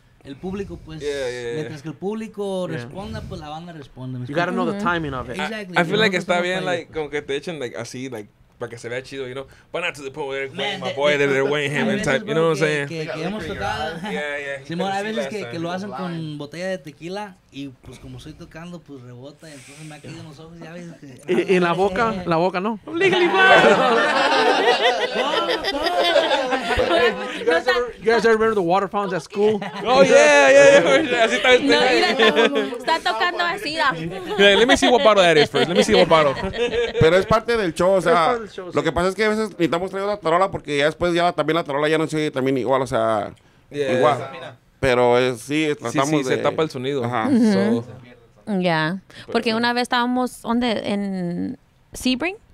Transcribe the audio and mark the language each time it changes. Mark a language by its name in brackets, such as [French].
[Spanish] El público, pues, mientras que el público responda, pues la banda responde. [English] You gotta know the timing of it. Exactly. I feel like [Spanish] está bien, like, como que te echen, like, así, like... Para que se vea chido, [English] you know, but not to the point where they're weighing him and type, you know what I'm saying? [Spanish] Que hemos tocado. Simón, hay veces que lo hacen con botella de tequila y pues como estoy tocando, pues rebota y entonces me ha caído en los ojos, ya ves. ¿Y en la boca? La boca, ¿no? [English] ¡Legally blind! You guys ever remember the water fountains at school? [Spanish] Oh, yeah. Así está tocando así. [English] Let me see what bottle that is first. Let me see what bottle. [Spanish] Pero es parte del show, o sea, lo que pasa es que a veces necesitamos traer la tarola porque ya después ya también la tarola ya no sigue también igual, o sea, igual. Pero sí, tratamos de... Sí, se tapa el sonido. Ajá. Ya. Porque una vez estábamos, ¿dónde? ¿En Sebring?